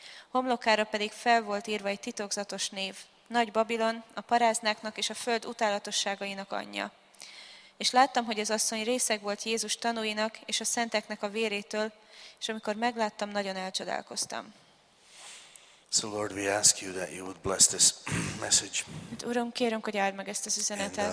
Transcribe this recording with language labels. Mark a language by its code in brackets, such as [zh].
[hu] Homlokára pedig fel volt írva egy titokzatos név, Nagy Babilon, a paráznáknak és a föld utálatosságainak anyja. És láttam, hogy az asszony részeg volt Jézus tanúinak és a szenteknek a vérétől, és amikor megláttam, nagyon elcsodálkoztam. [en] So Lord, we ask you that you would bless this message. [hu] Uram, kérünk, hogy áld meg ezt az üzenetet.